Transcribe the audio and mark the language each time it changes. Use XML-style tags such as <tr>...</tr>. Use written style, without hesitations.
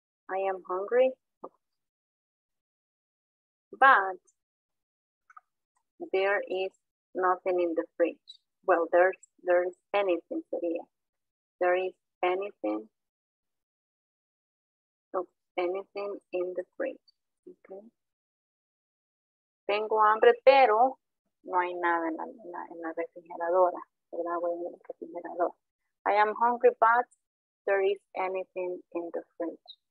<en>I am hungry, but there is nothing in the fridge. Well, there's anything,</en> <es>sería.</es> <en>There is anything, anything in the fridge, okay?</en> <es>Tengo hambre, pero no hay nada en la refrigeradora, ¿verdad? Bueno, en el refrigerador.</es> <en>I am hungry, but there is anything in the fridge.</en>